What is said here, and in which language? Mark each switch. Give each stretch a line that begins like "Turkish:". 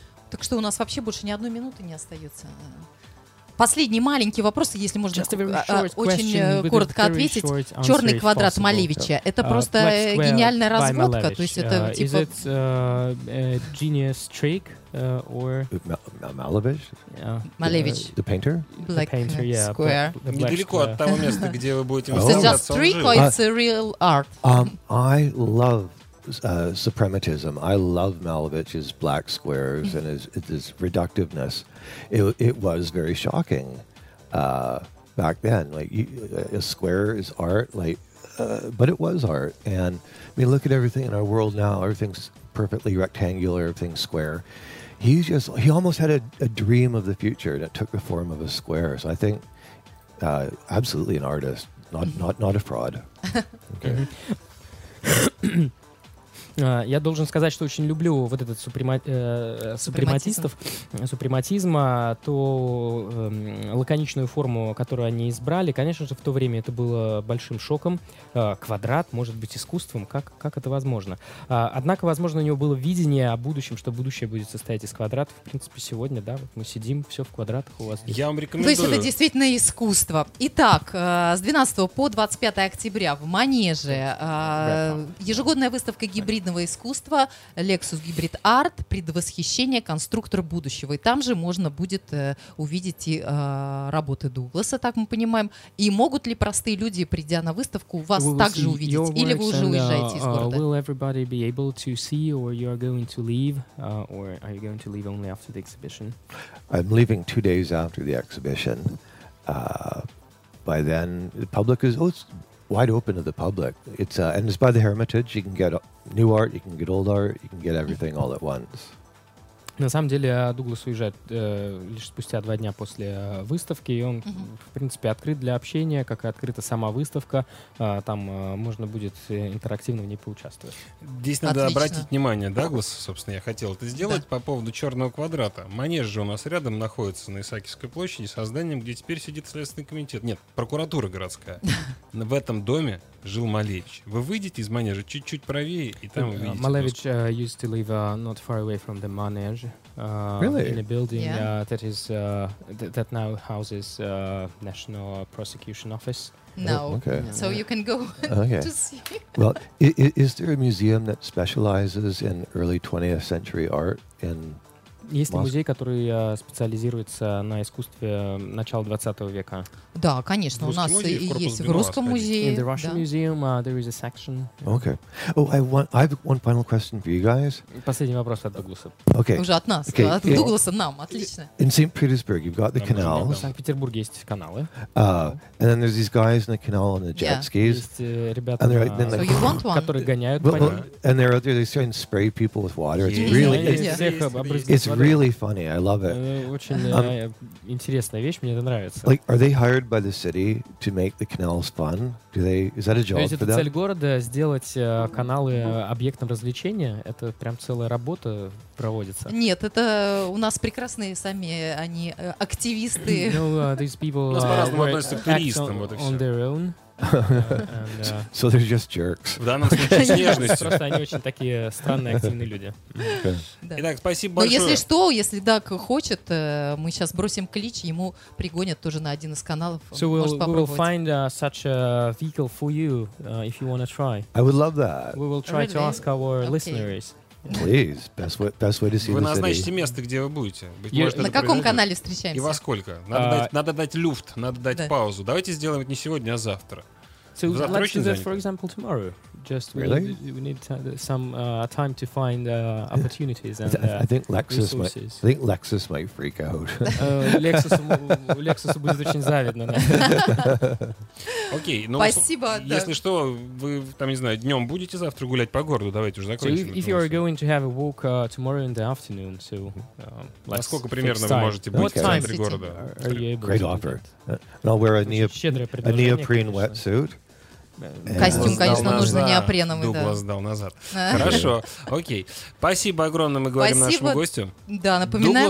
Russian: Так что у нас вообще больше ни одной минуты не остается. Последний маленький вопрос, если можно очень коротко ответить. Черный квадрат Малевича. Это просто гениальная разводка. То есть это типа...
English: Is it a genius trick? Or Malevich? Yeah. Malevich. The painter? Black the painter, yeah. Square.
Russian: Недалеко от того места, где вы будете...
English: Is it just trick or it's a real art? I love suprematism. I love Malevich's black squares and his reductiveness. It was very shocking back then. Like, a square is art, like, but it was art. And I mean, look at everything in our world now. Everything's perfectly rectangular, everything's square. He almost had a dream of the future, and it took the form of a square. So I think absolutely an artist, not a fraud. Okay.
Russian: Я должен сказать, что очень люблю вот этот супрематизм, ту лаконичную форму, которую они избрали. Конечно же, в то время это было большим шоком. Квадрат, может быть, искусством, как это возможно? Однако, возможно, у него было видение о будущем, что будущее будет состоять из квадратов. В принципе, сегодня, да, вот мы сидим, все в квадратах у вас. Я вам рекомендую. То есть это действительно искусство. Итак, с 12 по 25 октября в Манеже ежегодная выставка гибрид искусства, Lexus Hybrid Art, предвосхищение, конструктор будущего. И там же можно будет увидеть и работы Дугласа, так мы понимаем. И могут ли простые люди, придя на выставку, вас также увидеть? Или вы уже уезжаете из города?
English: Will everybody be able to see, or you are going to leave? Or are you going to leave only after the exhibition? I'm leaving 2 days after the exhibition. By then, the public is... Oh, it's wide open to the public. And it's by the Hermitage. You can get new art, you can get old art, you can get everything all at once.
Russian: На самом деле Дуглас уезжает лишь спустя 2 дня после выставки, и он, в принципе, открыт для общения, как и открыта сама выставка. Там можно будет интерактивно в ней поучаствовать. Здесь надо обратить внимание, Дуглас, собственно, я хотел это сделать, по поводу «Черного квадрата». Манеж же у нас рядом находится на Исаакиевской площади со зданием, где теперь сидит Следственный комитет. Нет, прокуратура городская. В этом доме жил Малевич. Вы выйдете из манежа чуть-чуть правее, и там увидите...
English: Малевич used to live not far away from the manege. Really? In a building that is that now houses National Prosecution Office. No. Oh, okay. So you can go to see. Well, is there a museum that specializes in early 20th century art in
Russian: Есть ли музей, который специализируется на искусстве начала 20 века? Да, конечно, у нас музей, есть в Русском музее.
English: In the Russian Museum, there is a section. Okay. Oh, I have one final question for you guys.
Russian: Последний вопрос от Дугласа.
English: Okay.
Russian: Уже от нас, okay. От Дугласа нам, отлично.
English: In St. Petersburg, you've got the canal.
Russian: В Санкт-Петербурге есть каналы.
English: And then there's these guys in the canal on the jet skis.
Russian: Есть ребята,
English: and like, so you want one?
Russian: Которые гоняют по ним.
English: And they're out there, they're trying to spray people with water. It's really... It's really funny. I love it.
Russian: Очень интересная вещь, мне это нравится.
English: Like, are they hired by the city to make the canals fun? Do they? Is that a job for them?
Russian: То есть это цель города сделать каналы объектом развлечения? Это прям целая работа проводится. Нет, это у нас прекрасные сами они активисты.
English: No, these people on their own. So they're just jerks.
Russian: В данном случае с нежностью. Просто они очень такие странные, активные люди. Итак, спасибо большое. Но если что, если Дак хочет, мы сейчас бросим клич, ему пригонят тоже на один из каналов.
English: So we'll find such a vehicle for you if you want to try. I would love that. We will try to ask our listeners. Please, best way to see
Russian: вы назначите место, где вы будете. Может, на каком канале встречаемся? И во сколько? Надо дать люфт, надо дать паузу. Давайте сделаем это не сегодня, а завтра.
English: So let's do that, for example, tomorrow. Just we need some time to find opportunities and resources. I think Lexus might freak out.
Russian: Lexus будет очень завидно. Окей. Спасибо. Если что, вы там, не знаю, днем будете завтра гулять по городу? Давайте уже закончим.
English: So if you are going to have a walk tomorrow in the afternoon, so let's.
Russian: Насколько примерно вы можете быть в центре города?
English: Great offer. And I'll wear a neoprene wetsuit.
Russian: Костюм, конечно, нужно неопреновый. Дуглас сдал назад. Хорошо, окей. Спасибо огромное, мы говорим нашему гостю. Да, напоминаем.